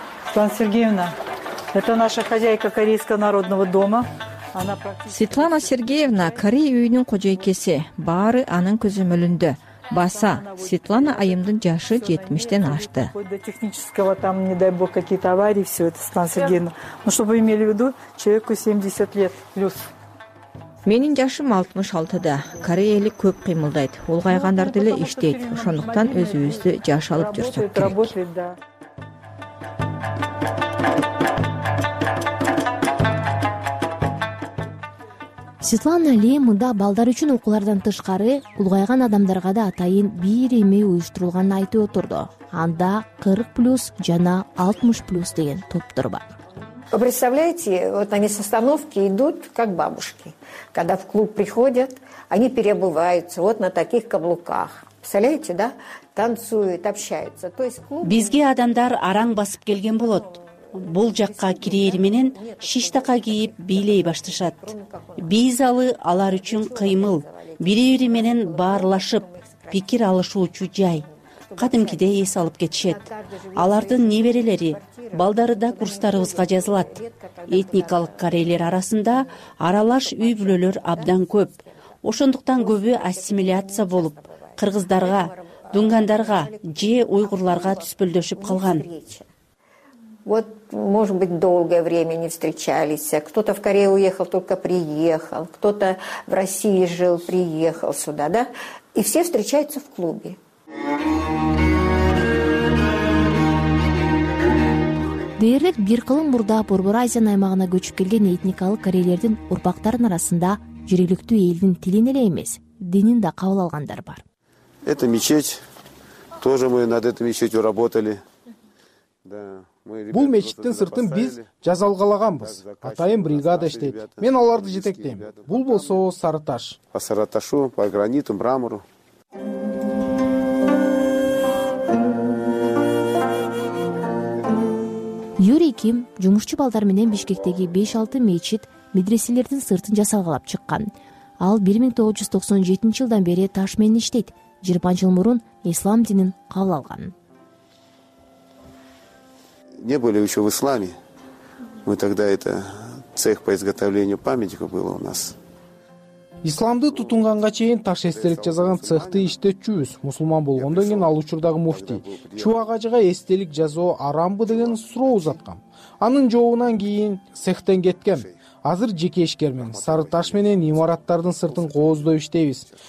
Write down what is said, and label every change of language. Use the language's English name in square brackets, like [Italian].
[Russian] Светлана Сергеевна, это наша хозяйка корейского народного дома. Она практически... [Kyrgyz] Светлана Сергеевна, корей үйүнүн кожойкеси, баары анын көзөмөлүндө. Баса, Светлана айымдын жашы 70-ден ашты. [Russian] До технического там, не дай бог, какие-то аварии, все это, Светлана Сергеевна. Ну, чтобы вы имели в виду, человеку 70 лет плюс. [Kyrgyz] Менин жашым 66. Корея эли көп кыймылдайт. Улгайгандар деле иштейт. Ошондуктан өзүбүздү жаш алып жүрсөк керек. Светлана Ли мында балдар үчүн окуулардан тышкары улгайган адамдарга да атайын бир эме уюштурулганын айтып отурду. Анда 40+ жана 60+ деген топтор бар. [Russian] Вы представляете, вот они с остановки идут, как бабушки. Когда в клуб приходят, они переобуваются вот на таких каблуках. Представляете, да? Танцуют, общаются. То есть клуб... [Kyrgyz] Бизге адамдар араң басып келген болот. Бул жакка кирээр менен шиштака кийип бийлей баштышат. Биз алы алар үчүн кыймыл, бири-бири менен баарлашып, пикир алышуучу жай. Кадимкидей эс алып кетишет. Алардын неберелери, балдары да курстарыбызга жазылат. Этникалык корейлер арасында аралаш үй-бүлөлөр абдан көп. Ошондуктан көбү ассимиляция болуп, кыргыздарга, дүнгандарга же уйгурларга түспөлдөшүп калган. [Russian] Вот, может быть, долгое время не встречались. Кто-то в Корею уехал, только приехал. Кто-то в России жил, приехал сюда, да? И все встречаются в клубе. [Kyrgyz] Дээрлик бир кылым мурда Борбор Азия аймагына көчүп келген этникалык корейлердин урпактарынын арасында жүрөктүү элдин тилин эле эмес, динин да кабыл алгандар бар. [Russian] Это мечеть. Тоже мы над этой мечетью работали. Да. [Kyrgyz] Бул мечиттин сыртын биз жазалгалаганбыз. Атайын бригада иштейт. Мен аларды жетектейм. Бул болсо сары таш. [Russian] По сары ташу, по граниту, мрамору. [Kyrgyz] Юрий Ким жумушчу балдар менен Бишкектеги 5-6 мечит медреселердин сыртын жасалгалап чыккан. Ал 1997 жылдан бери таш менен иштейт. 20 жыл мурун ислам динин кабыл алган. [Russian] Не были еще в исламе. Мы тогда это цех по изготовлению памятника было у нас. [Kyrgyz] Исламды тутунганга чейин таш эстелик жазган цехти иштетчүбүз. Мусулман болгондон кийин ал учурдагы муфти чубагажыга эстелик жазоо арамбы деген суроо узаткам. Анын жообунан кийин цехтен кеткем. Азыр жеке ишкермин. Сары таш менен имараттардын сыртын кооздоп иштейбиз.